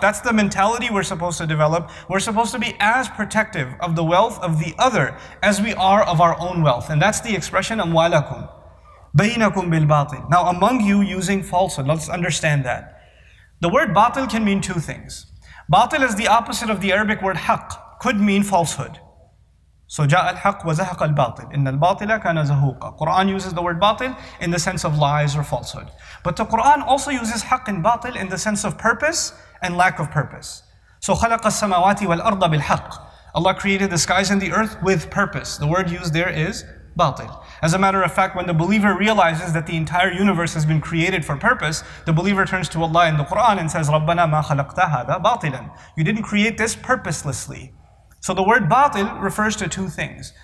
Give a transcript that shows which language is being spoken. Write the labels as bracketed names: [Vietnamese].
[English] That's the mentality we're supposed to develop. We're supposed to be as protective of the wealth of the other as we are of our own wealth. And that's the expression, amwalakum, bainakum bil batil. Now among you using falsehood, let's understand that. The word batil can mean two things. Batil is the opposite of the Arabic word haqq, could mean falsehood. [Arabic] So جاء الحق وزهق الباطل إن الباطل كان زهوقا. [English] Quran uses the word batil in the sense of lies or falsehood. But the Quran also uses حق and باطل in the sense of purpose and lack of purpose. [Arabic] So خلق السماوات والأرض بالحق. [English] Allah created the skies and the earth with purpose. The word used there is باطل. As a matter of fact, when the believer realizes that the entire universe has been created for purpose, the believer turns to Allah in the Quran and says, [Arabic] ربنا ما خلقت هذا باطلا. [English] You didn't create this purposelessly. So the word batil refers to two things.